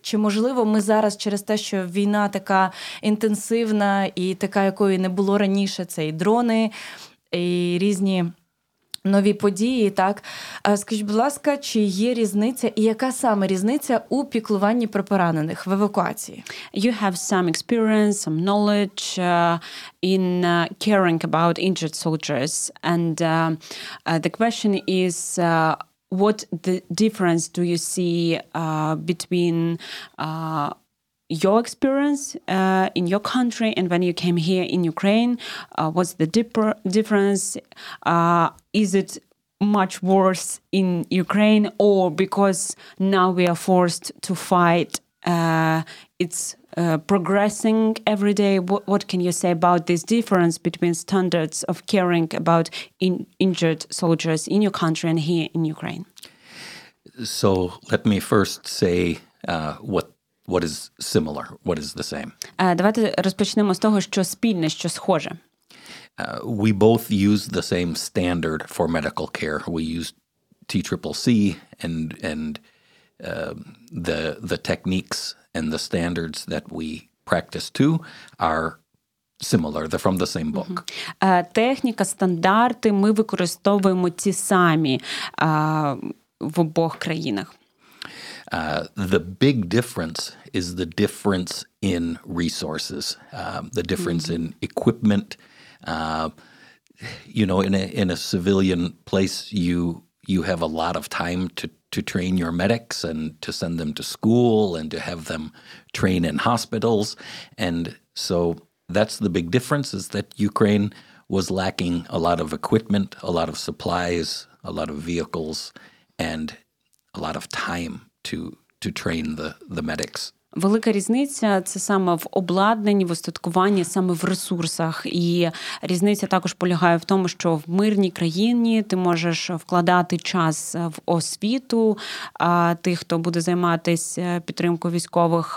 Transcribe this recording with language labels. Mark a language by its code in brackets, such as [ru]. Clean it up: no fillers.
[uk] Чи, можливо, ми зараз через те, що війна така інтенсивна і така, якої не було раніше, це і дрони, і різні нові події, так? Скажіть, будь ласка, чи є різниця, і яка саме різниця у піклуванні про поранених в евакуації? [en] You have some experience, some knowledge in caring about injured soldiers. And the question is... What the difference do you see between your experience in your country and when you came here in Ukraine? What's the difference? Is it much worse in Ukraine, or because now we are forced to fight, it's progressing every day? What can you say about this difference between standards of caring about injured soldiers in your country and here in Ukraine? So let me first say what is similar, what is the same. [uk] Давайте розпочнемо з того, що спільне, що схоже. [en] We both use the same standard for medical care. We use TCCC and the techniques and the standards that we practice too are similar. They're from the same book. [uk] Техніка, стандарти, ми використовуємо ті самі в обох країнах. [en] The big difference is the difference in resources, the difference in equipment. In a civilian place, you have a lot of time to train your medics and to send them to school and to have them train in hospitals. And so that's the big difference, is that Ukraine was lacking a lot of equipment, a lot of supplies, a lot of vehicles, and a lot of time to train the medics. [uk] Велика різниця – це саме в обладнанні, в устаткуванні, саме в ресурсах. І різниця також полягає в тому, що в мирній країні ти можеш вкладати час в освіту тих, хто буде займатися підтримкою військових.